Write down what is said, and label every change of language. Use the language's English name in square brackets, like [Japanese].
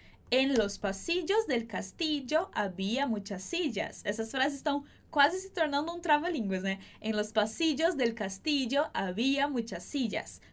[Spanish] En los pasillos del castillo había muchas sillas. [Portuguese] Essas frases estão quase se tornando um trava-línguas, né? [Spanish] En los pasillos del castillo había muchas sillas.